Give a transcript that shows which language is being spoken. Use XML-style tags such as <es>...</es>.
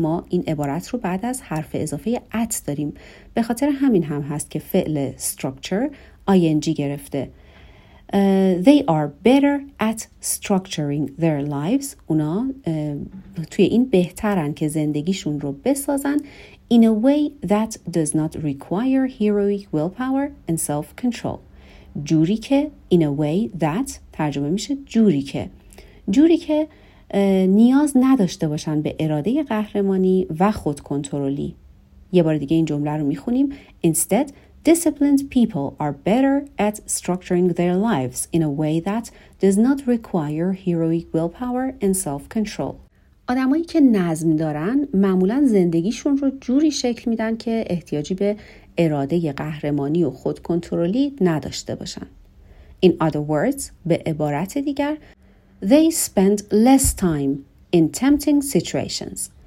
<fa>ما این عبارت رو بعد از حرف اضافه at داریم. به خاطر همین هم هست که فعل structure ing گرفته.</fa> <en>They are better at structuring their lives.</en> <fa>اونا توی این بهترن که زندگیشون رو بسازن.</fa> <en>In a way that does not require heroic willpower and self-control.</en> <fa>جوری که</fa> <en>in a way that</en> <fa>ترجمه میشه جوری که. جوری که نیاز نداشته باشن به اراده قهرمانی و خودکنترلی. یه بار دیگه این جمله رو میخونیم.</fa> <en>Instead, disciplined people are better at structuring their lives in a way that does not require heroic willpower and self-control.</en> <fa>آدمایی که نظم دارن معمولاً زندگیشون رو جوری شکل میدن که احتیاجی به اراده قهرمانی و خودکنترلی نداشته باشن.</fa> <en>In other words,</en> <fa>به عبارت دیگر،</fa> <en>They spend less time in tempting situations.</en>